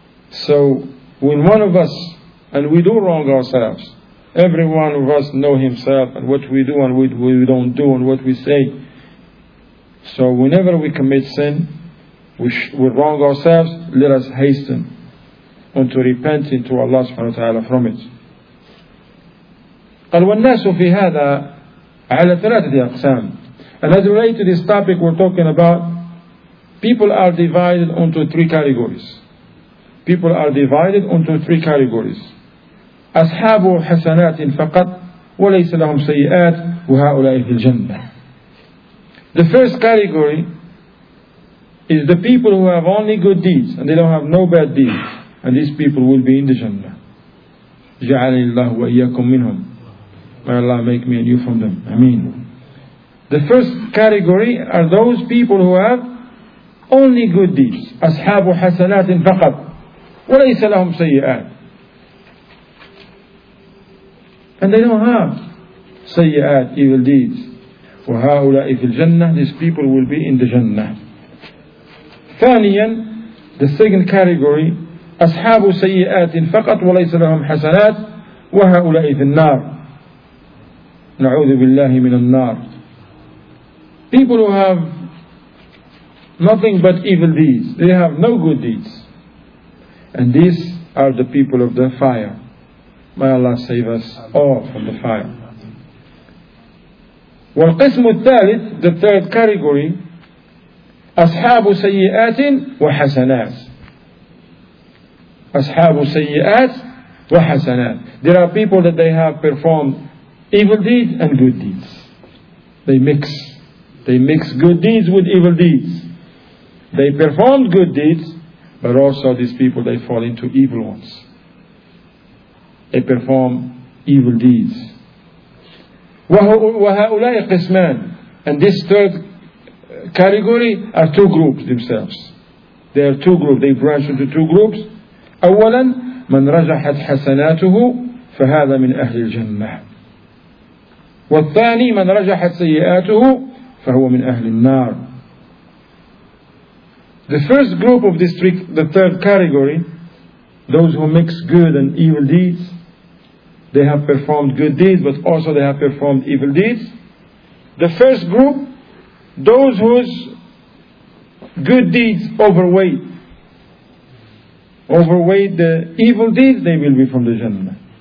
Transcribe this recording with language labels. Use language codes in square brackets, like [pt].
[en] So when one of us, and we do wrong ourselves, Every one of us know himself and what we do and what we don't do and what we say. So whenever we commit sin, we wrong ourselves, let us hasten unto repenting to Allah subhanahu wa ta'ala from it. [ar] قال والناس في هذا على ثلاثة أقسام. [en] And as related to this topic we're talking about, people are divided into three categories. People are divided into three categories. [ar] أصحاب حسنات فقط وليس لهم سيئات وهؤلاء في الجنة. [en] The first category is the people who have only good deeds and they don't have no bad deeds, and these people will be in the Jannah. [ar] جعلني الله وإياكم منهم. [en] May Allah make me and you from them. Ameen. The first category are those people who have only good deeds. [ar] أصحاب حسنات فقط وليس لهم سيئات. [en] And they don't have سيئات, evil deeds. [ar] وهؤلاء في الجنة, [en] these people will be in the Jannah. [ar] ثانيا, [en] the second category, [ar] أصحاب سيئات فقط وليس لهم حسنات وهؤلاء في النار. نعوذ بالله من النار. [en] People who have nothing but evil deeds, they have no good deeds, and these are the people of the fire. May Allah save us all from the fire. [ar] والقسم الثالث, [en] the third category, [ar] أصحاب سيئات وحسنات. أصحاب سيئات وحسنات. [en] There are people that they have performed evil deeds and good deeds. They mix. They mix good deeds with evil deeds. They performed good deeds, but also these people, they fall into evil ones. They perform evil deeds. [ar] وَهَؤُلَاءِ قِسْمَانِ. [en] And this third category are two groups themselves. They are two groups. They branch into two groups. [ar] أَوَّلًا مَنْ رَجَحَتْ حَسَنَاتُهُ فَهَذَا مِنْ أَهْلِ الْجَنَّةِ. والثاني من رجحت سيئاته فهو من أهل النار. [en] The first group of this three, the third category, those who mix good and evil deeds, they have performed good deeds, but also they have performed evil deeds. The first group, those whose good deeds overweight the evil deeds, they will be from the Jannah.